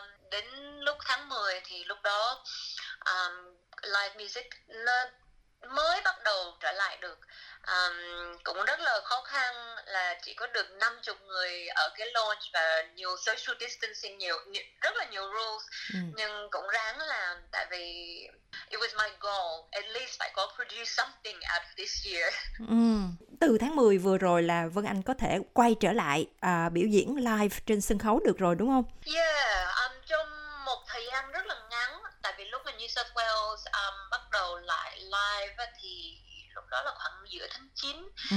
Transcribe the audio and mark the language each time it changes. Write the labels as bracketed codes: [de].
[vi] Đến lúc tháng 10 thì lúc đó live music nó mới bắt đầu trở lại được. Cũng rất là khó khăn là chỉ có được 50 người ở cái launch và nhiều social distancing, rất là nhiều rules. Nhưng cũng ráng làm, tại vì [en] it was my goal, at least I could produce something out of this year. [vi] Từ tháng 10 vừa rồi là Vân Anh có thể quay trở lại biểu diễn live trên sân khấu được rồi, đúng không? Yeah, trong một thời gian rất là ngắn, tại vì lúc mà New South Wales bắt đầu lại live thì lúc đó là khoảng giữa tháng 9.